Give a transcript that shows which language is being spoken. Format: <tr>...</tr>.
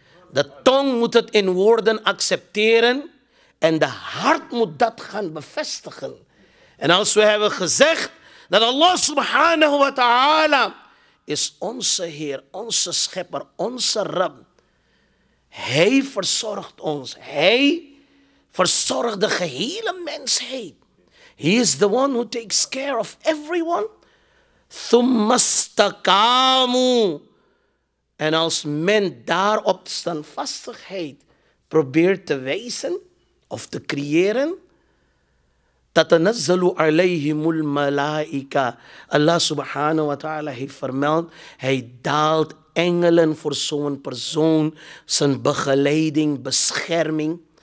<nl>De tong moet het in woorden accepteren en de hart moet dat gaan bevestigen. En als we hebben gezegd dat Allah subhanahu wa ta'ala is onze Heer, onze Schepper, onze Rab. Hij verzorgt ons. Hij verzorgt de gehele mensheid.</nl> <en>He is the one who takes care of everyone.</en> <ar>Thummastakamu.</ar> <nl>En als men daar op standvastigheid probeert te wijzen of te creëren,</nl> <ar>tatanazzalu alayhimul malaika.</ar> <nl>Allah subhanahu wa ta'ala heeft vermeld, hij daalt engelen voor zo'n persoon, zijn begeleiding, bescherming.</nl>